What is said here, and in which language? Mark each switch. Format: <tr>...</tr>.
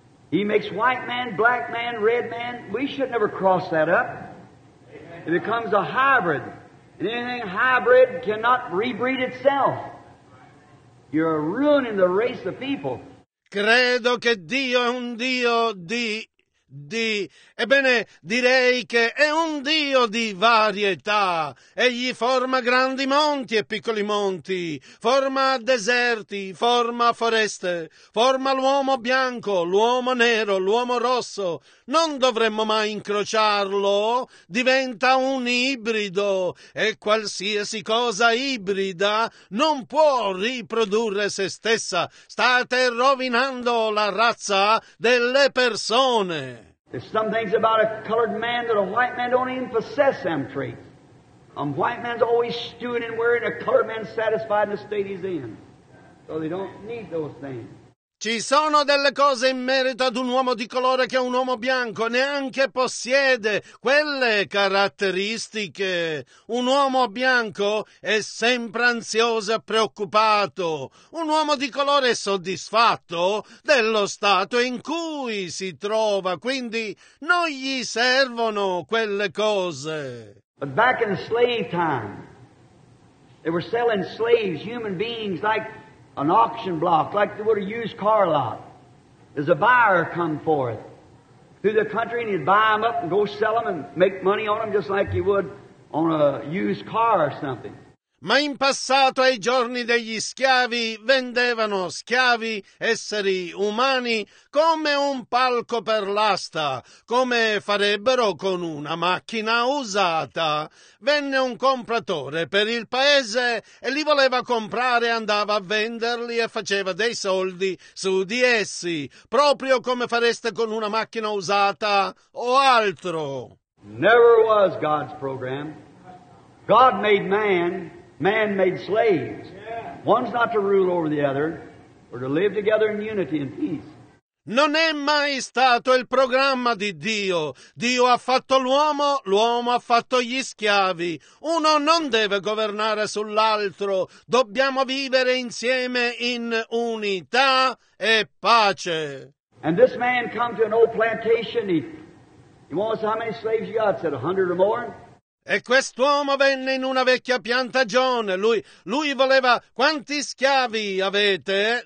<en>He makes white man, black man, red man. We should never cross that up. It becomes a hybrid. And anything hybrid cannot rebreed itself. You're ruining the race of people.</en> <it>Credo che Dio è un Dio di... Ebbene, direi che è un Dio di varietà. Egli forma grandi monti e piccoli monti, forma deserti, forma foreste, forma l'uomo bianco, l'uomo nero, l'uomo rosso. Non dovremmo mai incrociarlo? Diventa un ibrido e qualsiasi cosa ibrida non può riprodurre se stessa. State rovinando la razza delle persone.</it> <en>There's some things about a colored man that a white man don't even possess them traits. White man's always stewing and worrying, a colored man's satisfied in the state he's in. So they don't need those things.</en> <it>Ci sono delle cose in merito ad un uomo di colore che un uomo bianco neanche possiede quelle caratteristiche. Un uomo bianco è sempre ansioso e preoccupato. Un uomo di colore è soddisfatto dello stato in cui si trova, quindi non gli servono quelle cose.</it> <en>But back in the slave time, they were selling slaves, human beings, like an auction block, like they would a used car lot. There's a buyer come forth through the country, and he'd buy them up and go sell them and make money on them just like you would on a used car or something.</en> <it>Ma in passato, ai giorni degli schiavi, vendevano schiavi, esseri umani, come un palco per l'asta, come farebbero con una macchina usata. Venne un compratore per il paese e li voleva comprare, andava a venderli e faceva dei soldi su di essi, proprio come fareste con una macchina usata o altro.</it> <en>Never was God's program. God made man. Man made slaves. One's not to rule over the other, or to live together in unity and peace.</en> <it>Non è mai stato il programma di Dio. Dio ha fatto l'uomo, l'uomo ha fatto gli schiavi. Uno non deve governare sull'altro. Dobbiamo vivere insieme in unità e pace.</it> <en>And this man come to an old plantation. He wants how many slaves you got? Said 100 or more.</en> <it>E quest'uomo venne in una vecchia piantagione. Lui voleva, quanti schiavi avete?</it>